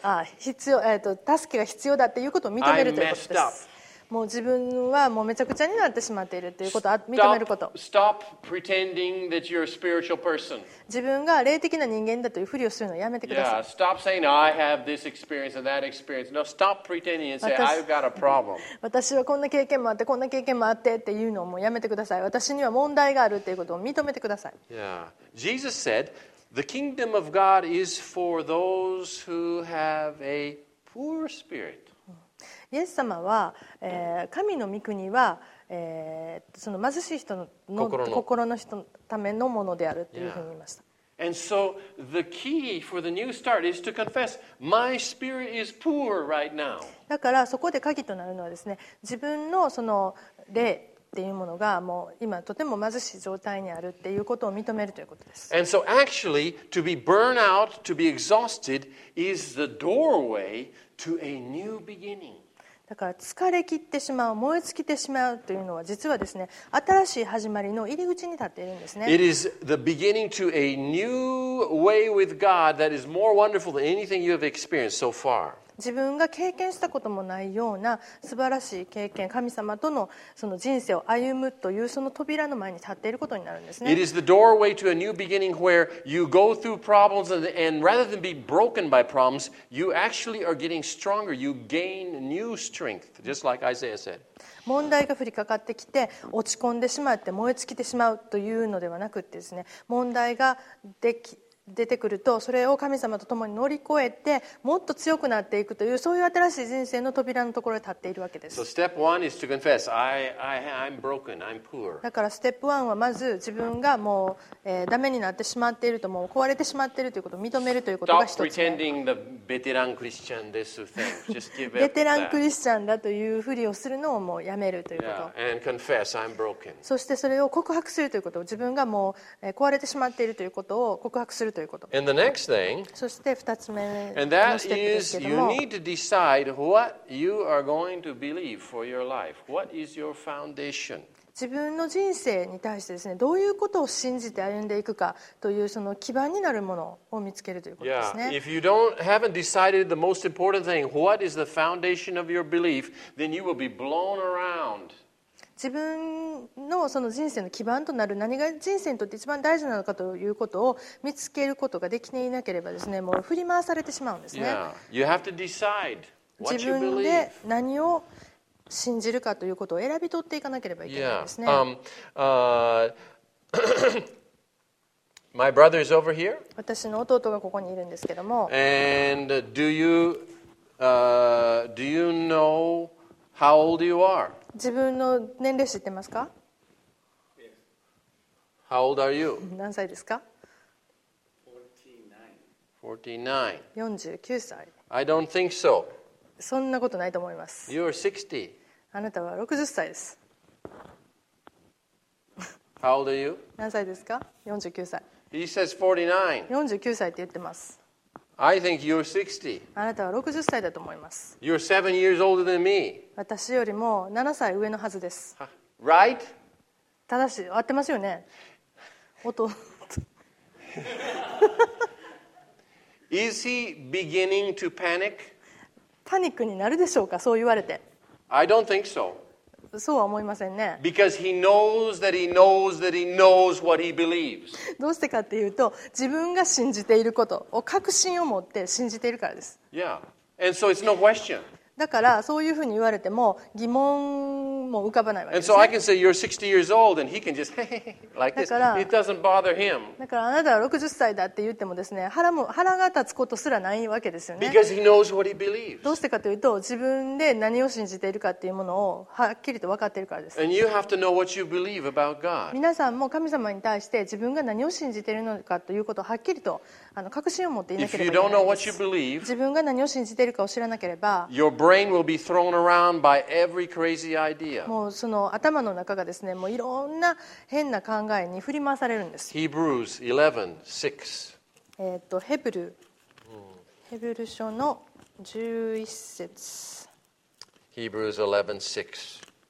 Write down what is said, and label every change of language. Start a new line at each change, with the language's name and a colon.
Japanese: ああ必要、助けが必要だっていうことを認めるということです。もう自分はもうめちゃくちゃになってしまっているということを認めること。
English: Stop pretending that you're a spiritual person.
Japanese: 自分が霊的な人間だというふりをするのをやめてください。
English: Yeah, stop saying I have this experience and that experience. No, stop pretending and say I've got a problem.
Japanese: 私はこんな経験もあってこんな経験もあってっていうのをもうやめてください。私には問題があるっていうことを認めてください。
English: Yeah. Jesus saidThe kingdom of God is for those who have a poor spirit.
Japanese: イエス様は、神の御国は、その貧しい人の心の人のためのものであるというふうに言いました。
English: Yeah. And so the key for the new start is to confess, my spirit is poor right now.
Japanese: だからそこで鍵となるのはですね、自分のその霊っていうものがもう今とても貧しい状態にあるっていうことを認めるということです。
English: And so actually, to be burned out, to be exhausted, is the doorway to a new beginning.
Japanese: だから疲れ切ってしまう、燃え尽きてしまうというのは実はですね、新しい始まりの入り口に立っているんですね。
English: It is the beginning to a new way with God that is more wonderful than anything you have experienced so far.
Japanese: 自分が経験したこともないような素晴らしい経験、神様とのその人生を歩むというその扉の前に立っていることになるんですね。
English: It is the doorway to a new beginning where you go through problems and rather than be broken by problems, you actually are getting stronger. You gain new strength, just like Isaiah said.
Japanese: 問題が降りかかってきて落ち込んでしまって燃え尽きてしまうというのではなくてですね、問題が出てくるとそれを神様と共に乗り越えてもっと強くなっていくというそういう新しい人生の扉のところに立っているわけです。
English: So step one is to confess. I'm broken. I'm poor.
Japanese: だからステップ1はまず自分がもう、ダメになってしまっているともう壊れてしまっているということを認めるということが一つ。
English: Stop pretending the veteran Christian this thing. Just give up.
Japanese: ベテランクリスチャンだというふりをするのをもうやめるということ。
English: Yeah. And confess I'm broken.
Japanese: そしてそれを告白するということ、自分がもう、壊れてしまっているということを告白する。
English: And the next thing,
Japanese: そして二つ目のステップですけども、
English: and that is you need to decide what you are going to believe for your life. What is your foundation?
Japanese: 自分の人生に対してですね、どういうことを信じて歩んでいくかというその基盤になるものを見つけるということですね。
English: Yeah. If you don't haven't decided the most important thing, what is the foundation of your belief, then you will be blown around.
Japanese: 自分 の, その人生の基盤となる何が人生にとって一番大事なのかということを見つけることができていなければですね、もう振り回されてしまうんですね。
English: Yeah. You have to decide what you believe.
Japanese: 自分で何を信じるかということを選び取っていかなければいけないんですね。
English: Yeah. My brother is over here.
Japanese: 私の弟がここにいるんですけども。
English: And do you know how old you are?
Japanese: 自分の年齢知ってますか?
English: How old are you?
Japanese: 何歳ですか?
English: 49.
Japanese: 49歳。
English: I don't think so.
Japanese: そんなことないと思います。
English: You are 60.
Japanese: あなたは60歳です。
English: How old are you?
Japanese: 何歳ですか?49歳。
English: He says 49.
Japanese: 49歳って言ってます。
English: I think you're 60.
Japanese: あなたは60歳だと思います。
English: You're 7 years older than me.
Japanese: 私よりも7歳上のはずです。
English: Right?
Japanese: 正しい。合ってますよね。弟。
English: Is he beginning to panic?
Japanese: パニックになるでしょうか、そう言われて。
English: I don't think so.
Japanese: そうは思いませんね。
English: Because he knows that he knows that he knows what he believes.
Japanese: どうしてかっていうと、自分が信じていることを確信を持って信じているからです。
English: Yeah. And so it's no question.
Japanese: だからそういうふうに言われても疑問も浮かばないわけですね。
English: And so I can say you're 60 years old and he can just like this. It doesn't bother him.
Japanese: だからあなたは60歳だって言ってもですね、腹が立つことすらないわけですよね。
English: Because he knows what he believes.
Japanese: どうしてかというと、自分で何を信じているかっていうものをはっきりと分かっているからです。
English: And you have to know what you believe about God.
Japanese: 皆さんも神様に対して自分が何を信じているのかということをはっきりと確信を持っていなければいけないです。
English: If you don't know what you believe,
Japanese: 自分が何を信じているかを知らなければ、
English: your brain will be thrown around by every crazy idea.
Japanese: もうその頭の中がですね、もういろんな変な考えに振り回されるんです。
English: Hebrews 11:6。
Japanese: ヘブル書の11節。
English: Hebrews 11:6。